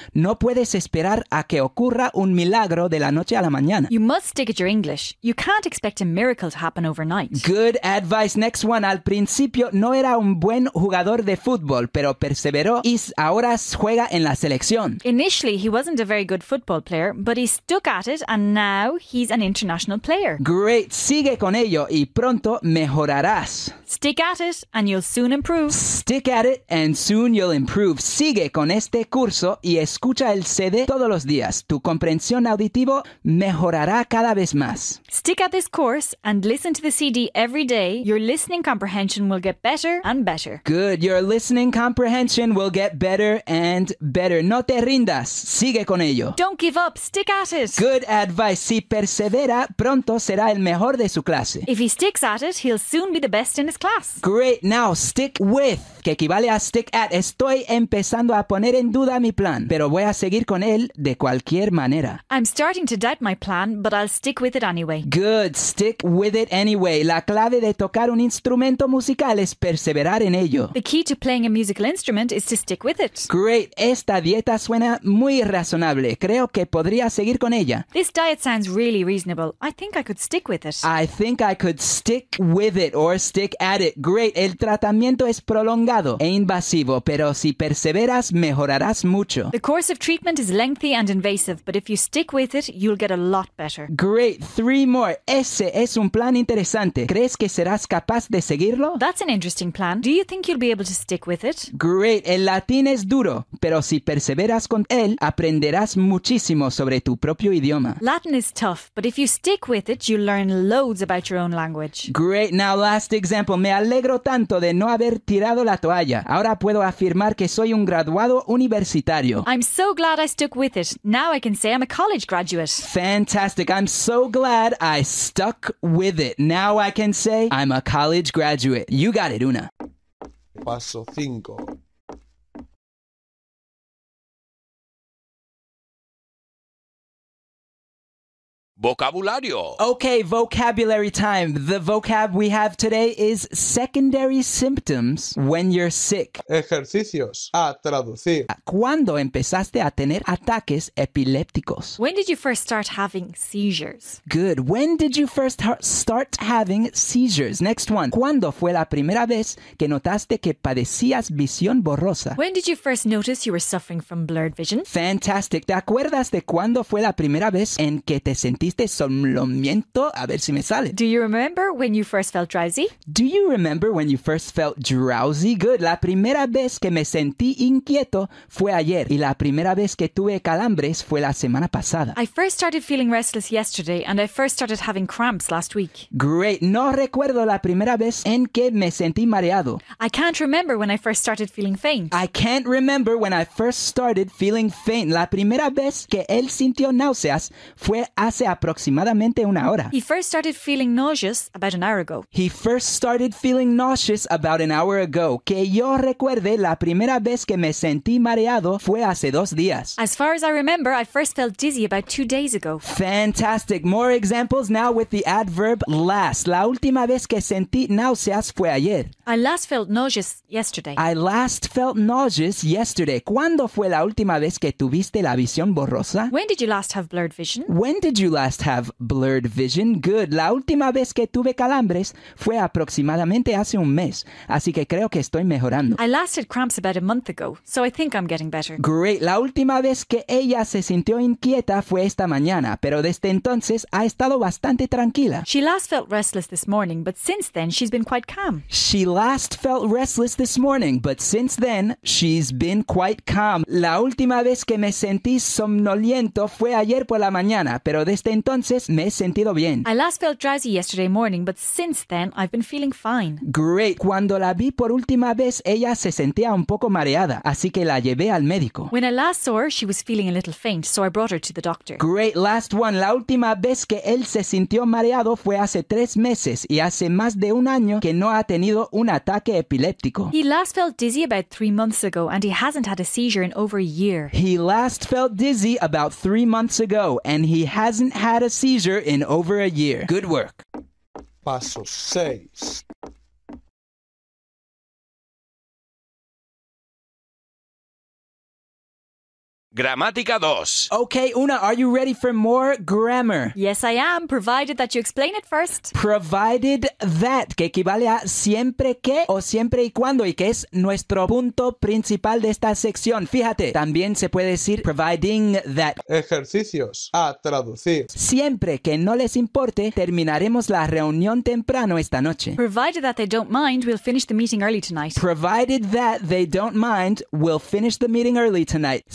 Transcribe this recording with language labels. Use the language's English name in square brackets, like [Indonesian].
[Spanish] No puedes esperar a que ocurra un milagro de la noche a la mañana. [English] You must stick at your English. You can't expect a miracle to happen overnight. Good advice. Next one. [Spanish] Al principio no era un buen jugador de fútbol, pero perseveró. Y ahora juega en la selección. [English] Initially, he wasn't a very good football player, but he stuck at it and now he's an international player. [Spanish] Great. Sigue con ello y pronto mejorarás. [English] Stick at it and you'll soon improve. Stick at it and soon you'll improve. [Spanish] Sigue con este curso y escucha el CD todos los días. Tu comprensión auditiva mejorará cada vez más. [English] Stick at this course and listen to the CD every day. Your listening comprehension will get better and better. Good. Your listening comprehension will get better and better. No te rindas. Sigue con ello. Don't give up. Stick at it. Good advice. [Spanish] Si persevera, pronto será el mejor de su clase. [English] If he sticks at it, he'll soon be the best in his class. Great. Now, stick with, [Spanish] que equivale a [English] stick at. [Spanish] Estoy empezando a poner en duda mi plan, pero voy a seguir con él de cualquier manera. [English] I'm starting to doubt my plan, but I'll stick with it anyway. Good. Stick with it anyway. [Spanish] La clave de tocar un instrumento musical es perseverar en ello. [English] The key to playing a musical instrument is to stick with it. [Spanish] Great. Esta dieta suena muy razonable. Creo que podría seguir con ella. [English] This diet sounds really reasonable. I think I could stick with it. I think I could stick with it or stick at it. Great. [Spanish] El tratamiento es prolongado e invasivo, pero si perseveras, mejorarás mucho. [English] The course of treatment is lengthy and invasive, but if you stick with it, you'll get a lot better. Great. Three more. [Spanish] Ese es un plan interesante. ¿Crees que serás capaz de seguirlo? [English] That's an interesting plan. Do you think you'll be able to stick with it? Great. [Spanish] El latín es duro, pero si perseveras con él, aprenderás muchísimo sobre tu propio idioma. [English] Latin is tough, but if you stick with it, you learn loads about your own language. Great. Now, last example. [Spanish] Me alegro tanto de no haber tirado la toalla. Ahora puedo afirmar que soy un graduado universitario. [English] I'm so glad I stuck with it. Now I can say I'm a college graduate. Fantastic. I'm so glad I stuck with it. Now I can say I'm a college graduate. You got it, Una. [Spanish] Paso 5. Vocabulario. [English] Okay, vocabulary time. The vocab we have today is secondary symptoms when you're sick. [Spanish] Ejercicios. A traducir. ¿Cuándo empezaste a tener ataques epilépticos? [English] When did you first start having seizures? Good. When did you first start having seizures? Next one. [Spanish] ¿Cuándo fue la primera vez que notaste que padecías visión borrosa? [English] When did you first notice you were suffering from blurred vision? Fantastic. [Spanish] ¿Te acuerdas de cuándo fue la primera vez en que te sentiste? ¿Sentiste somnolimiento? A ver si me sale. [English] Do you remember when you first felt drowsy? Do you remember when you first felt drowsy? Good. [Spanish] La primera vez que me sentí inquieto fue ayer. Y la primera vez que tuve calambres fue la semana pasada. [English] I first started feeling restless yesterday and I first started having cramps last week. Great. [Spanish] No recuerdo la primera vez en que me sentí mareado. [English] I can't remember when I first started feeling faint. I can't remember when I first started feeling faint. [Spanish] La primera vez que él sintió náuseas fue hace aproximadamente una hora. [English] He first started feeling nauseous about an hour ago. He first started feeling nauseous about an hour ago. [Spanish] Que yo recuerde, la primera vez que me sentí mareado fue hace dos días. [English] As far as I remember, I first felt dizzy about 2 days ago. Fantastic. More examples now with the adverb last. [Spanish] La última vez que sentí náuseas fue ayer. [English] I last felt nauseous yesterday. I last felt nauseous yesterday. [Spanish] ¿Cuándo fue la última vez que tuviste la visión borrosa? [English] When did you last have blurred vision? When did you last have blurred vision? Good. [Spanish] La última vez que tuve calambres fue aproximadamente hace un mes, así que creo que estoy mejorando. [English] I last had cramps about a month ago, so I think I'm getting better. Great. [Spanish] La última vez que ella se sintió inquieta fue esta mañana, pero desde entonces ha estado bastante tranquila. [English] She last felt restless this morning, but since then she's been quite calm. She last felt restless this morning, but since then she's been quite calm. [Spanish] La última vez que me sentí somnoliento fue ayer por la mañana, pero desde entonces me he sentido bien. [English] I last felt drowsy yesterday morning, but since then I've been feeling fine. Great. [Spanish] Cuando la vi por última vez, ella se sentía un poco mareada, así que la llevé al médico. [English] When I last saw her, she was feeling a little faint, so I brought her to the doctor. Great. Last one. [Spanish] La última vez que él se sintió mareado fue hace 3 meses y hace más de un año que no ha tenido un ataque epiléptico. [English] He last felt dizzy about 3 months ago and he hasn't had a seizure in over a year. He last felt dizzy about 3 months ago and he hasn't had a seizure in over a year. Good work. [Spanish] Paso 6. Gramática 2. [English] Okay, Una, are you ready for more grammar? Yes, I am, provided that you explain it first. [Spanish] Provided that, que equivale a siempre que o siempre y cuando, y que es nuestro punto principal de esta sección. Fíjate, también se puede decir providing that. Ejercicios a traducir. Siempre que no les importe, terminaremos la reunión temprano esta noche. [English] Provided that they don't mind, we'll finish the meeting early tonight. Provided that they don't mind, we'll finish the meeting early tonight.